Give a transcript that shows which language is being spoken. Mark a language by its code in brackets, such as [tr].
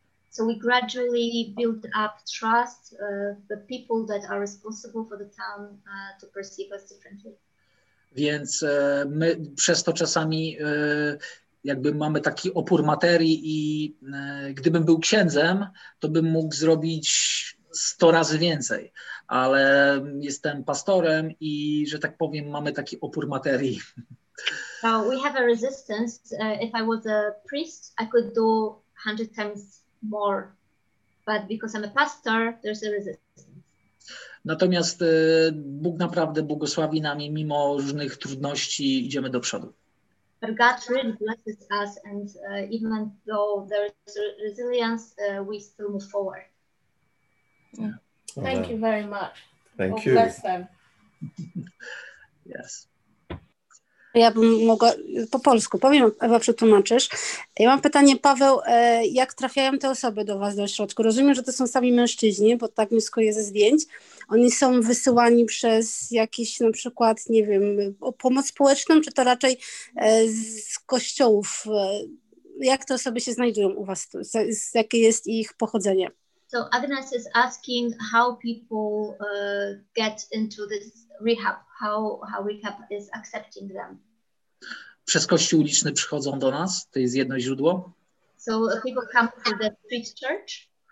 [en] So we gradually build up trust the people that are responsible for the town to perceive us differently. [pl] Więc my przez to czasami jakby mamy taki opór materii i gdybym był księdzem, to bym mógł zrobić 100 razy więcej, ale jestem pastorem i, że tak powiem, mamy taki opór materii. [en] So we have a resistance. If I was a priest, I could do 100 times more, but because I'm a pastor, there's a resistance. [pl] Natomiast Bóg naprawdę błogosławi nami mimo różnych trudności, idziemy do przodu. [en] But God really blesses us, and even though there is resilience, we still move forward. Yeah. Thank you very much. Thank you. Bless them. Yes. [pl] Ja bym mogła po polsku, powiem, Ewa, przetłumaczysz. Ja mam pytanie, Paweł, jak trafiają te osoby do was do ośrodku? Rozumiem, że to są sami mężczyźni, bo tak wnioskuję ze zdjęć. Oni są wysyłani przez jakieś, na przykład, nie wiem, pomoc społeczną, czy to raczej z kościołów? Jak te osoby się znajdują u was? Jakie jest ich pochodzenie? [en] So Agnes is asking how people get into this rehab, how rehab is accepting them. [pl] Przez kościół uliczny przychodzą do nas, to jest jedno źródło. [en] So people come to the street church.